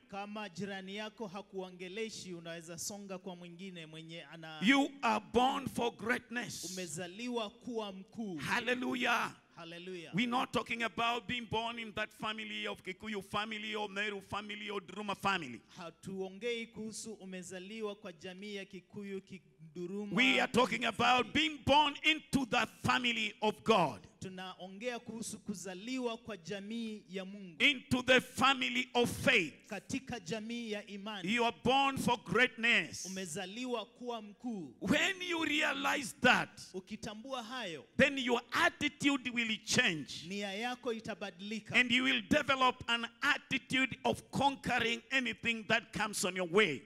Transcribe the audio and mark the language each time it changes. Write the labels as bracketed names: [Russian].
[Swahili] Kama jirani yako hakuongeleshi, unaweza songa kwa mwingine mwenye ana. [English] You are born for greatness. [Swahili] Umezaliwa kuwa mkuu. Hallelujah. Hallelujah. [English] We're not talking about being born in that family of Kikuyu family or Meru family or Duruma family. [Swahili] Hatuongei kuhusu umezaliwa kwa jamii ya Kikuyu Kiduruma. [English] We are talking about being born into the family of God. [Swahili] Tunaongea kuhusu kuzaliwa kwa jamii ya Mungu. [English] Into the family of faith. [Swahili] Katika jamii ya imani. [English] You are born for greatness. [Swahili] Umezaliwa kuwa mkuu. [English] When you realize that, [Swahili] ukitambua hayo, [English] then your attitude will change. [Swahili] Nia yako itabadilika. [English] And you will develop an attitude of conquering anything that comes on your way.